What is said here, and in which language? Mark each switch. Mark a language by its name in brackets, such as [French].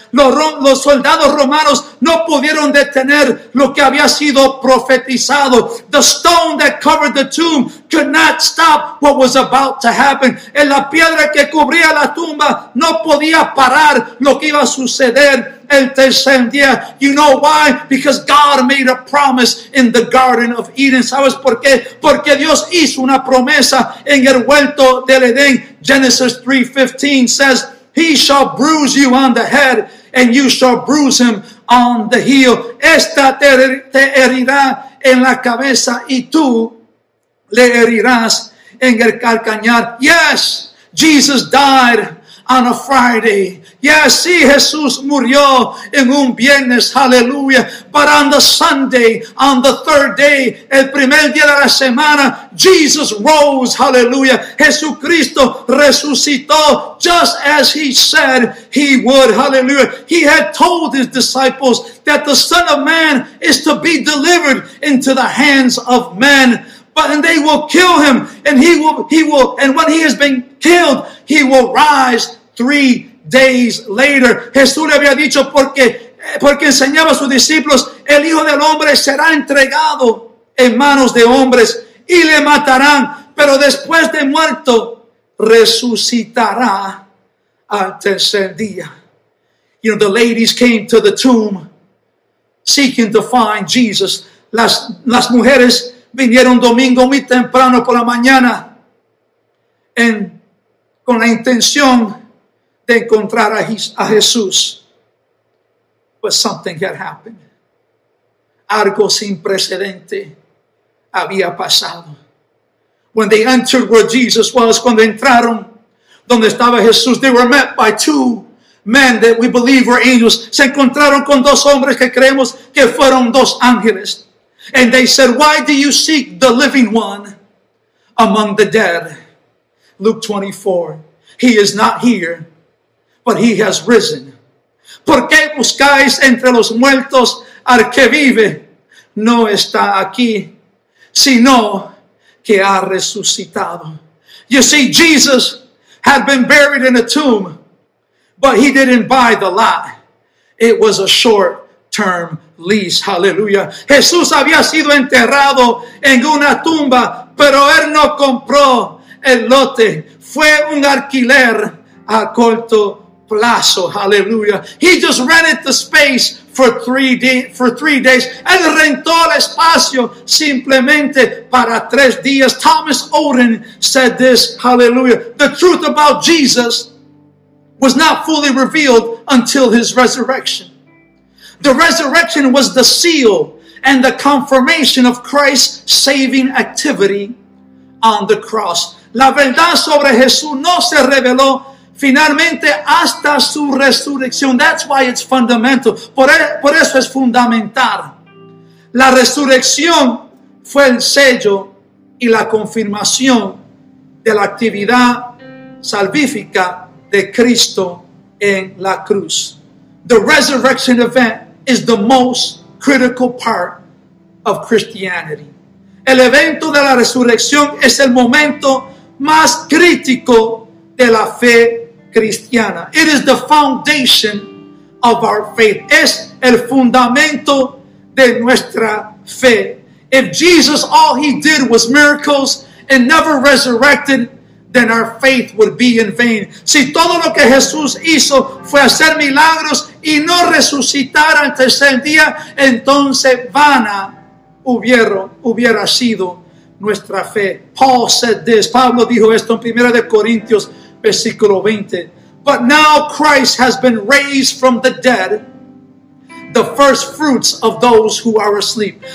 [Spanish] Los soldados romanos no pudieron detener lo que había sido profetizado. [English] The stone that covered the tomb could not stop what was about to happen. [Spanish] En la piedra que cubría la tumba no podía parar lo que iba a suceder. El tercer día. [English] You know why? Because God made a promise in the Garden of Eden. [Spanish] ¿Sabes por qué? Porque Dios hizo una promesa en el huerto del Edén. [English] Genesis 3:15 says, "He shall bruise you on the head, and you shall bruise him on the heel." [Spanish] Esta te herirá en la cabeza, y tú le herirás en el calcañar. [English] Yes, Jesus died on a Friday. Yes, [Spanish] sí, Jesús murió en un viernes, [English] hallelujah. But on the Sunday, on the third day, [Spanish] el primer día de la semana, [English] Jesus rose, hallelujah. [Spanish] Jesucristo resucitó [English] just as he said he would, hallelujah. He had told his disciples that the Son of Man is to be delivered into the hands of men. But and they will kill him, and he will, and when he has been killed, he will rise 3 days later. [Spanish] Jesús le había dicho porque enseñaba a sus discípulos, el Hijo del Hombre será entregado en manos de hombres y le matarán, pero después de muerto resucitará al tercer día. [English] You know, the ladies came to the tomb seeking to find Jesus. [Spanish] Las mujeres vinieron domingo muy temprano por la mañana con la intención de encontrar a Jesús. [English] But something had happened. [Spanish] Algo sin precedente había pasado. [English] When they entered where Jesus was, [Spanish] cuando entraron donde estaba Jesús, [English] they were met by two men that we believe were angels. [Spanish] Se encontraron con dos hombres que creemos que fueron dos ángeles. [English] And they said, why do you seek the living one among the dead? Luke 24, he is not here, but he has risen. [Spanish] ¿Por qué buscáis entre los muertos al que vive? No está aquí, sino que ha resucitado. [English] You see, Jesus had been buried in a tomb, but he didn't buy the lot. It was a short term lease, hallelujah. [Spanish] Jesús había sido enterrado en una tumba, pero él no compró el lote. Fue un alquiler a corto plazo, hallelujah. [English] He just rented the space for three days. [Spanish] Él rentó el espacio simplemente para 3 días. [English] Thomas Oden said this, hallelujah. The truth about Jesus was not fully revealed until his resurrection. The resurrection was the seal and the confirmation of Christ's saving activity on the cross. [Spanish] La verdad sobre Jesús no se reveló finalmente hasta su resurrección. [English] That's why it's fundamental. [Spanish] Por eso es fundamental. La resurrección fue el sello y la confirmación de la actividad salvífica de Cristo en la cruz. [English] The resurrection event is the most critical part of Christianity. [Spanish] El evento de la resurrección es el momento más crítico de la fe cristiana. [English] It is the foundation of our faith. [Spanish] Es el fundamento de nuestra fe. [English] If Jesus, all he did was miracles and never resurrected, then our faith would be in vain. [Spanish] Si todo lo que Jesús hizo fue hacer milagros y no resucitar al tercer día, entonces vana hubiera sido nuestra fe. [English] Paul said this. [Spanish] Pablo dijo esto en 1 Corintios, versículo 20. [English] But now Christ has been raised from the dead, the first fruits of those who are asleep.